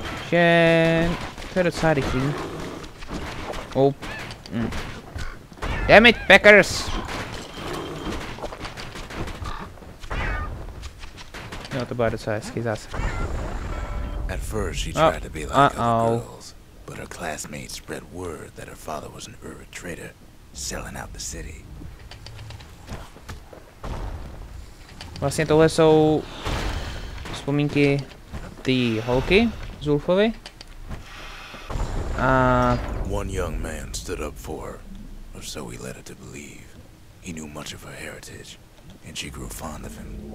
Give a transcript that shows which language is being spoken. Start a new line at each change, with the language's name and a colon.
Czech: Že to je docela rychlý. Oh. Mm.
English: Damn it, Packers!
Czech: No, to byla docela hezký zase.
English: At first she tried to be like other girls, but her classmates spread word that her father was an Ura trader, selling out the city.
Czech: Vlastně tohle jsou vzpomínky ty holky z Ulfovy. A
English: one young man stood up for her, or so he led her to believe. He knew much of her heritage, and she grew fond of him.